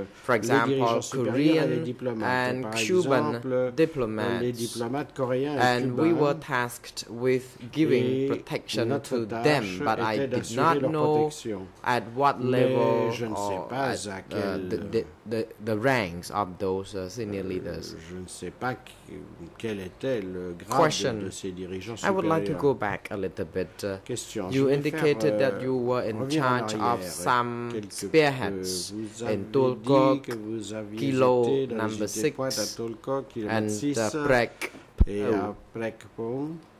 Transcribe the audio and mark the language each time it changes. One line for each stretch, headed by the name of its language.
English: for example, Korean and Cuban diplomats, and we were tasked with giving protection to them, but I did not know at what level or at the ranks of those senior leaders.
French: Je ne sais pas quel était le grade question. De ces dirigeants supérieurs.
English: I would like to go back a little bit. Question. You indicated that you were in charge of some spearheads in Tolkok, Kilo number 6, and Prekpom.